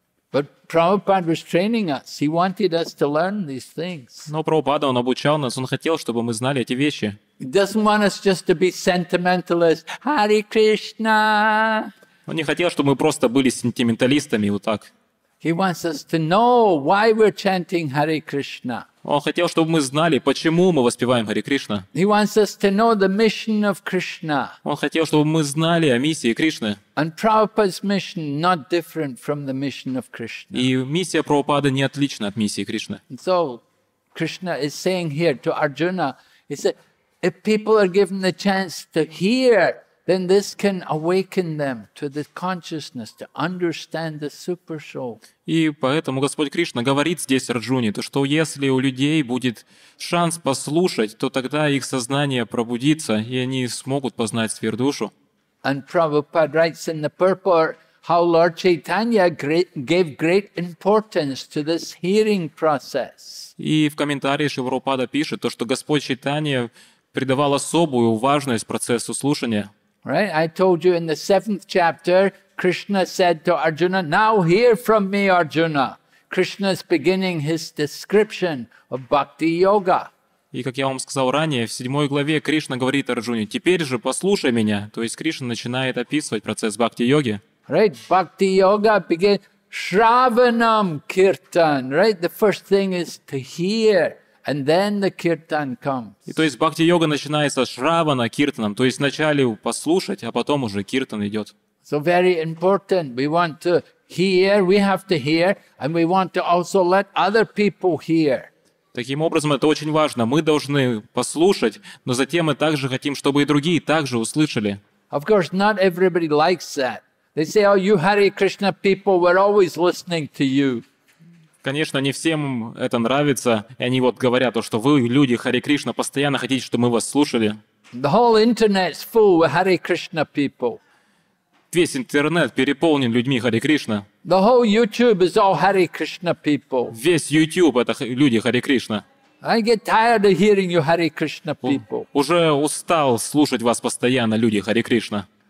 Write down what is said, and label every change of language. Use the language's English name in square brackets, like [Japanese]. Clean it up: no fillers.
[English] But Prabhupada was training us. He wanted us to learn these things. [Russian] Но Прабхупада, он обучал нас. Он хотел, чтобы мы знали эти вещи. [English] He doesn't want us just to be sentimentalists. Hare Krishna. [Russian] Он не хотел, чтобы мы просто были сентименталистами вот так. [English] He wants us to know why we're chanting Hare Krishna. [Russian] Он хотел, чтобы мы знали, почему мы воспеваем Хари Кришна. [English] He wants us to know the mission of Krishna. [Russian] Он хотел, чтобы мы знали о миссии Кришны. [English] And Prabhupada's mission not different from the mission of Krishna. [Russian] И миссия Прабхупады не отлична от миссии Кришны. [English] And so Krishna is saying here to Arjuna, he said, if people are given the chance to hear, then this can awaken them to the consciousness, to understand the super soul. [Russian] И поэтому Господь Кришна говорит здесь Арджуне, что если у людей будет шанс послушать, то тогда их сознание пробудится, и они смогут познать сверхдушу. [English] And Prabhupada writes in the purport how Lord Chaitanya gave great importance to this hearing process. [Russian] И в комментарии Шрила Прабхупада пишет, что Господь Чайтанья придавал особую важность процессу слушания. [English] Right, I told you in the 7th chapter, Krishna said to Arjuna, "Now hear from me, Arjuna." Krishna is beginning his description of bhakti yoga. [Russian] И как я вам сказал ранее, в 7 главе Кришна говорит Арджуне: "Теперь же послушай меня." То есть Кришна начинает описывать процесс бхакти йоги. [English] Right, bhakti yoga begins shravanam kirtan. Right, the first thing is to hear. And then the kirtan comes. [Russian] И то есть бхакти-йога начинается с шравана киртаном, то есть вначале послушать, а потом уже киртан идет. [English] So very important. We want to hear, we have to hear, and we want to also let other people hear. [Russian] Таким образом, это очень важно. Мы должны послушать, но затем мы также хотим, чтобы и другие также услышали. [English] Of course, not everybody likes that. They say, oh, you Hare Krishna people, we're always listening to you. [Russian] Конечно, не всем это нравится, и они вот говорят, то, что вы, люди Hare Krishna, постоянно хотите, чтобы мы вас слушали. [English] The whole internet's full with Hare Krishna people. [Russian] Весь интернет переполнен людьми Hare Krishna. [English] The whole YouTube is all Hare Krishna people. [Russian] Весь YouTube — это люди Hare Krishna. [English] I get tired of hearing you Hare Krishna people. [Russian] Уже устал слушать вас постоянно, люди Hare Krishna.